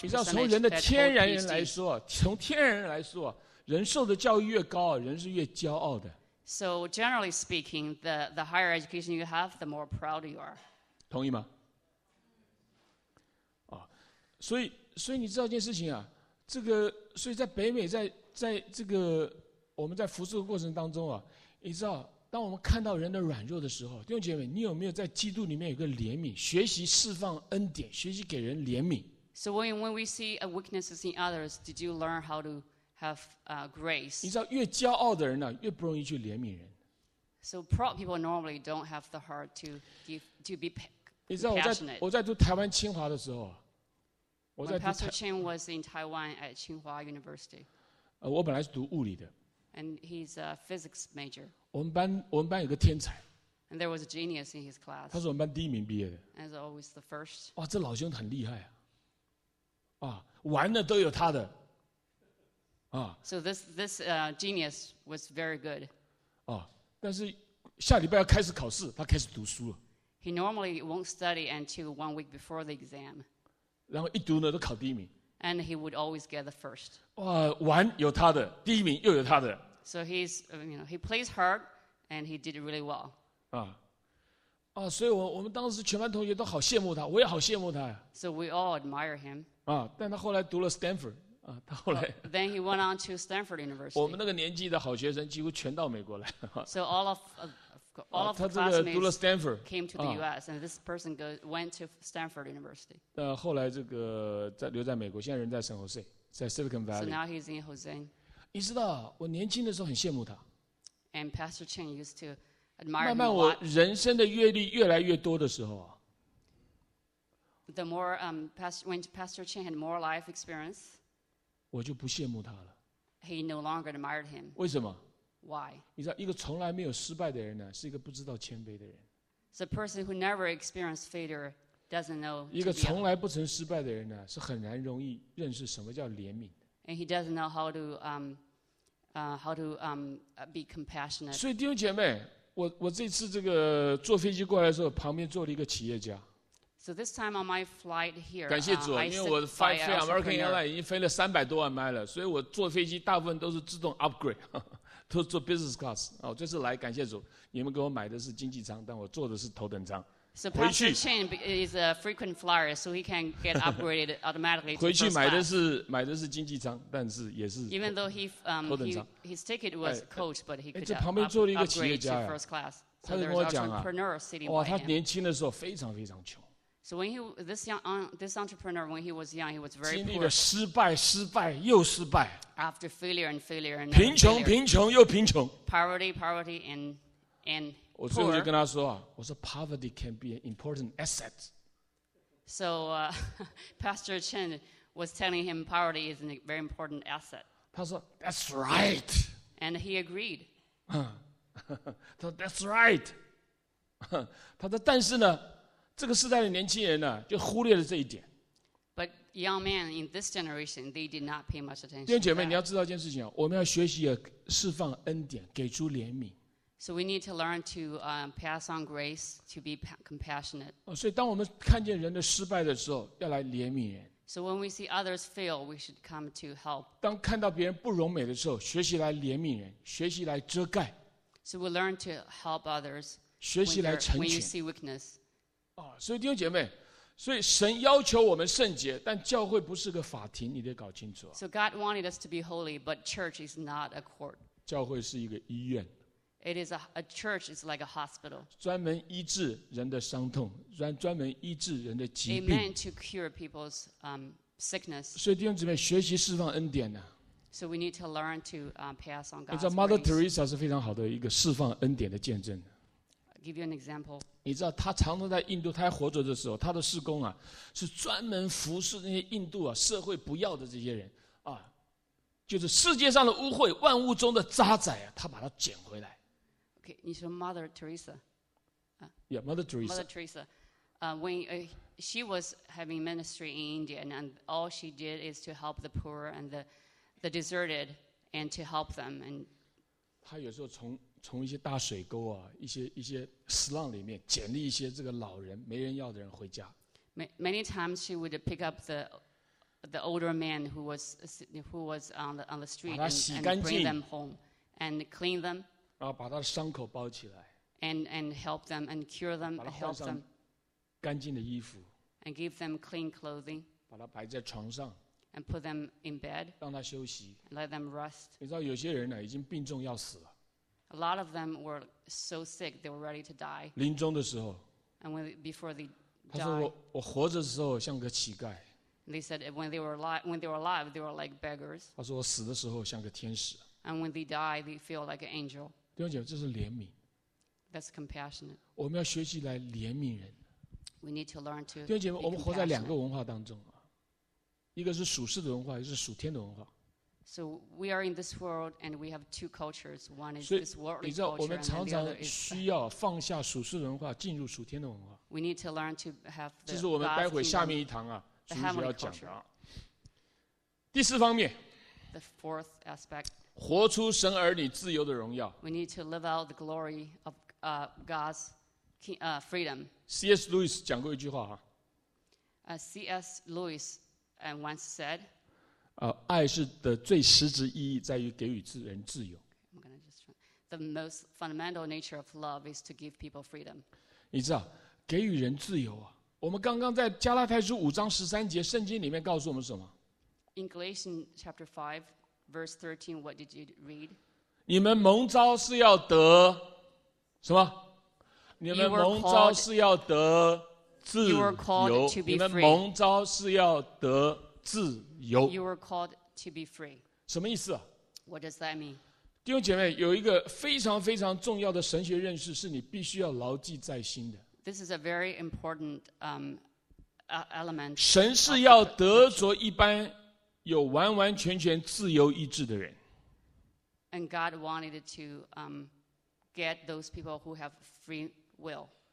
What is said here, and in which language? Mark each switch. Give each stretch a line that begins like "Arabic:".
Chinese: 你知道，从人的天然人来说，从天然人来说，人受的教育越高，人是越骄傲的。
English: So generally speaking, the higher education you have, the more proud you are.
Chinese: 同意吗？啊，所以你知道一件事情啊，这个所以在北美在这个我们在服侍的过程当中啊，你知道当我们看到人的软弱的时候，弟兄姐妹，你有没有在基督里面有个怜悯，学习释放恩典，学习给人怜悯
English: ？So when we see a weaknesses in others, did you learn how to have grace.
Chinese: 你知道越骄傲的人呢，越不容易去怜悯人。
English: So proud people normally don't have the heart to be passionate.
Chinese: 你知道我在读台湾清华的时候，我在
English: Pastor Chen was in Taiwan at Tsinghua University.
Chinese: 我本来是读物理的。
English: And he's a physics major.
Chinese: 我们班有个天才。
English: And there was a genius in his class.
Chinese: 他是我们班第一名毕业的。
English: And he's always the first.
Chinese: 哇，这老兄很厉害啊！啊，玩的都有他的。
English: So this genius was very good.
Chinese: 啊，但是下礼拜要开始考试，他开始读书了。
English: He normally won't study until 1 week before the exam.
Chinese: 然后一读呢，都考第一名。
English: And he would always get the first.
Chinese: 哇，玩有他的，第一名又有他的。
English: So he's, you know, he plays hard and he did really well.
Chinese: 啊，所以我们当时全班同学都好羡慕他，我也好羡慕他。
English: So we all admire him.
Chinese: 啊，但他后来读了 Stanford。
English: Then he went on to Stanford University.
Chinese: 我们那个年纪的好学生几乎全到美国来。
English: So all of the classmates
Chinese: 读了
English: Stanford, came to the U.S. and this person went to Stanford University.
Chinese: 后来这个在留在美国，现在人在 San Jose, 在 Silicon Valley.
English: So now he's in Jose.
Chinese: 你知道我年轻的时候很羡慕他。
English: And Pastor Chen used to admire.
Chinese: 慢慢我人生的阅历越来越多的时候啊。
English: The more when Pastor Chen had more life experience.
Chinese: 我就不羡慕他了。
English: He no longer admired him.
Chinese: 为什么
English: ？Why？
Chinese: 你知道，一个从来没有失败的人呢，是一个不知道谦卑的人。
English: So a person who never experienced failure doesn't know.
Chinese: 一个从来不曾失败的人呢，是很难容易认识什么叫怜悯。
English: And he doesn't know how to be compassionate.
Chinese: 所以弟兄姐妹，我这次这个坐飞机过来的时候，旁边坐了一个企业家。
English: So this time on my flight here,
Chinese: 感谢主，因为我飞 American Airlines 已经飞了300多万迈了，所以我坐飞机大部分都是自动 upgrade， 都是坐 business class。哦，这次来感谢主，你们给我买的是经济舱，但我坐的是头等舱。
English: So Pastor Chen is a frequent flyer, so he can get upgraded automatically.
Chinese: 回去买的是经济舱，但是也是
English: even though he his ticket was coach, but he could
Chinese: 这旁边坐了一个企业家
English: first class.
Chinese: 他就跟我讲啊，哇，他年轻的时候非常非常穷。
English: So when this entrepreneur, when he was young, he was very poor.
Chinese: 经历了失败，失败又失败。
English: After failure and failure and
Chinese: 贫穷，贫穷又贫穷。
English: Poverty, poverty and poor.
Chinese: 我最后就跟他说啊，我说
English: poverty can be an important asset. So Pastor Chen was telling him poverty is a very important asset.
Chinese: 他说
English: That's right. And he agreed.
Chinese: 他说
English: That's right.
Chinese: 他说但是呢这个世代的年轻人呢就忽略了这一点。
English: But young men in this generation, they did not pay much attention.
Chinese: 弟兄姐妹你要知道一件事情我们要学习释放恩典给出怜悯。
English: So we need to learn to pass on grace, to be compassionate.
Chinese: 所以当我们看见人的失败的时候要来怜悯人。
English: So when we see others fail, we should come to help.
Chinese: 当看到别人不容美的时候学习来怜悯人学习来遮盖。
English: So we learn to help others,
Chinese: 学习来成全。
English: When you see weakness.
Chinese: 所以弟兄姐妹所以神要求我们圣洁但教会不是个法庭你得搞清楚。
English: So God wanted us to be holy, but church is not a court.
Chinese: 教会是一个医院。
English: It is a church is like a hospital.
Chinese: 专门医治人的伤痛 专门医治人的疾病。
English: It meant to cure people's sickness.
Chinese: 所以弟兄姊妹学习释放恩典呢。
English: So we need to learn to pass on God's grace.
Chinese: 你知道 Mother Teresa 是非常好的一个释放恩典的见证。
English: I'll give you an example.
Chinese: 你知道她常常在印度她还活着的时候她的事工啊是专门服侍那些印度啊社会不要的这些人。啊就是世界上的污秽万物中的渣滓啊她把它捡回来。 Okay, 你说 Mother Teresa,、
English: yeah, Mother Teresa. Mother Teresa, when she was having ministry in India, and all she did is to help the poor and the deserted, and to help them. And
Chinese: 她有时候从一些大水沟啊，一些 slum 里面捡了一些这个老人没人要的人回家。
English: Many times she would pick up the older man who was on the street and bring them home and clean them.
Chinese: 然后把他的伤口包起来
English: and help them and cure them
Chinese: 把他换上干净的衣服
English: and give them clean clothing
Chinese: 把他摆在床上
English: and put them in bed
Chinese: 让他休息
English: and let them rest
Chinese: 你知道有些人呢已经病重要死了
English: a lot of them were so sick they were ready to die
Chinese: 临终的时候
English: and when, before they died
Chinese: 他说 我活着的时候像个乞丐
English: they said when they were alive they were like beggars
Chinese: 他说我死的时候像个天使
English: And when they die, they feel like an angel.
Chinese: 弟兄姐妹，这是怜悯。
English: That's compassionate.
Chinese: 我们要学习来怜悯人。
English: We need to learn to.
Chinese: 弟兄姐妹，我们活在两个文化当中啊，一个是属世的文化，一个是属天的文化。
English: So we are in this world, and we have two cultures. One is this worldly culture, and the other is.
Chinese: 所以你知道，我们常常需要放下属世文化，进入属天的文化。
English: We need to learn to have.
Chinese: 这是我们待会下面一堂啊，主要要讲的啊。第四方面。
English: The fourth aspect.
Chinese: 活出神儿女自由的荣耀。
English: We need to live out the glory of God's freedom. C.S.
Chinese: Lewis 讲过一句话哈。
English: C.S. Lewis once said,
Chinese: 爱是的最实质意义在于给予人自由。
English: I'm gonna just try. The most fundamental nature of love is to give people freedom.
Chinese: 你知道，给予人自由啊。我们刚刚在加拉太书五章十三节圣经里面告诉我们什么
English: ？In Galatians chapter 5. Verse 13, what did you read?
Chinese: 你们蒙召是要得什么？你们蒙召是要得自由。
English: You were called to be free.
Chinese: 你们蒙召是要得自由。
English: You were called to be free.
Chinese: 什么意思啊？
English: What does that mean?
Chinese: 弟兄姐妹，有一个非常非常重要的神学认识是你必须要牢记在心的。
English: This is a very important element.
Chinese: 神是要得着一般。有完完全全自由意志的人。
English: And God wanted to get those people who have free will.